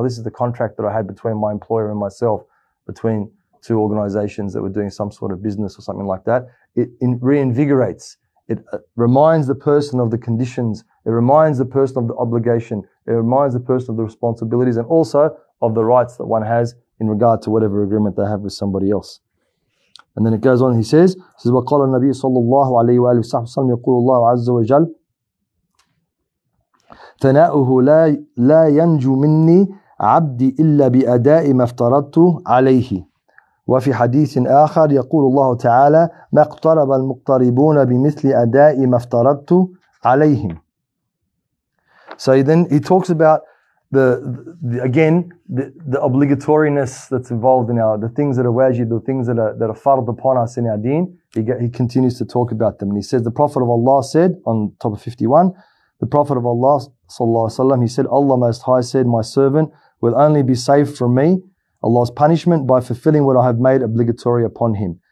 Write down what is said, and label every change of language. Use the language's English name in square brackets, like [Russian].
[English] Oh, this is the contract that I had between my employer and myself, between two organizations that were doing some sort of business or something like that. It reinvigorates. It reminds the person of the conditions. It reminds the person of the obligation. It reminds the person of the responsibilities and also of the rights that one has in regard to whatever agreement they have with somebody else. And then it goes on, he says, [Arabic] وَقَالَ النَّبِيُّ صَلَّى اللَّهُ عَلَيْهِ وَآلِهِ وَسَلَّمَ يَقُولُ اللَّهُ عَزَّ وَجَلْ ثَنَاؤُهُ لَا يَنْجُو مِنِّي عَبْدِي إِلَّا بِأَدَاءِ مَا افْتَرَضْتُ عَلَيْهِ وفي حديث آخر يقول الله تعالى ما اقترب المقتربون بمثل أداء ما افترضت عليهم. [English] So then he talks about the obligatoriness that's involved in the things that are wajib, the things that are fard upon us in our deen. He continues to talk about them. And he says, the Prophet of Allah said, on top of 51, the Prophet of Allah [Arabic] صلى الله عليه وسلم, [English] he said, Allah Most High said, my servant will only be saved from me, Allah's punishment, by fulfilling what I have made obligatory upon him.